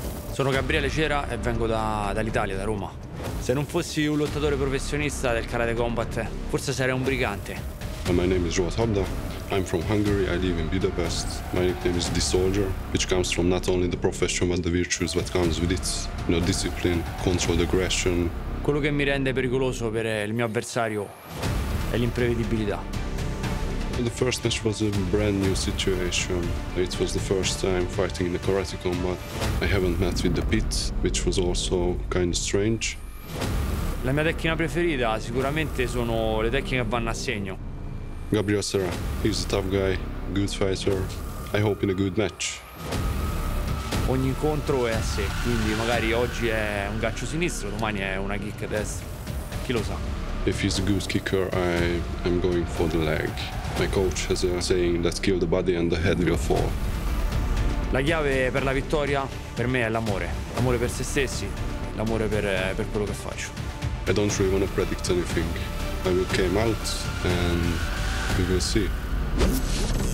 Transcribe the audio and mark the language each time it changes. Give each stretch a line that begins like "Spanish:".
Italian: Sono Gabriele Cera e vengo dall'Italia, da Roma. Se non fossi un lottatore professionista del Karate Combat, forse sarei un brigante.
English: My name is Roat Habda. I'm from Hungary. I live in Budapest. My nickname is The Soldier, which comes from not only the profession but the virtues that comes with it. You know, discipline, controlled aggression.
Italian: Quello che mi rende pericoloso per il mio avversario è l'imprevedibilità.
English: The first match was a brand new situation. It was the first time fighting in a karate combat. I haven't met with the pit, which was also kind of strange.
Italian: La mia tecnica preferita sicuramente sono le tecniche che vanno a segno.
English: Gabriel Serra, he's a tough guy, good fighter. I hope in a good match.
Italian: Ogni incontro è a sé, quindi magari oggi è un gancio sinistro, domani è una kick a destra. Chi lo sa?
English: If he's a good kicker, I am going for the leg. My coach has a saying that kill the body and the head will fall.
Italian: La chiave per la vittoria per me è l'amore. L'amore per se stessi, l'amore per quello che faccio.
English: I don't really want to predict anything. I will come out and we will see.